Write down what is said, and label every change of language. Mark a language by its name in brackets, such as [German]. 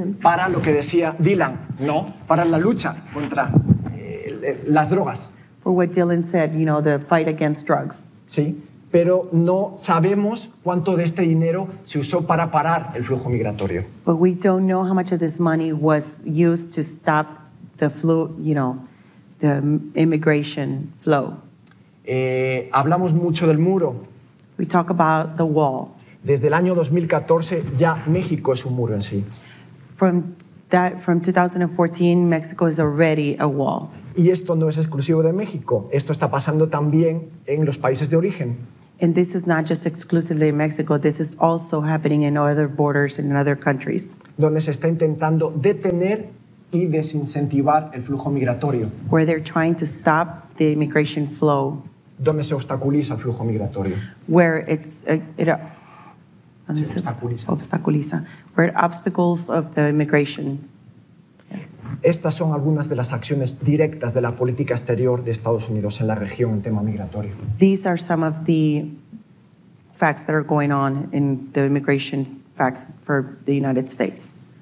[Spanish] Para lo que decía Dylan, no, para la lucha contra las drogas. [English] For what Dylan said, you know, the fight against drugs. [Spanish] Sí, pero no sabemos cuánto de este dinero se usó para parar el flujo migratorio. [English] But we don't know how much of this money was used to stop the flow, you know, the immigration flow. [Spanish] Hablamos mucho del muro. [English] We talk about the wall. [Spanish] Desde el año 2014 ya México es un muro en sí. [English] From 2014, Mexico is already a wall. [Spanish] Y esto no es exclusivo de México. Esto está pasando también en los países de origen. [English] And this is not just exclusively in Mexico. This is also happening in other borders and in other countries. [Spanish] Donde se está intentando detener y desincentivar el flujo migratorio. [English] Where they're trying to stop the immigration flow. [Spanish] Donde se obstaculiza el flujo migratorio. [English] Where it's obstaculiza. Where obstacles of the immigration. [Spanish] Estas son algunas de las acciones directas de la política exterior de Estados Unidos en la región en tema migratorio. [English] These are some of the facts that are going on in the immigration facts for the United States.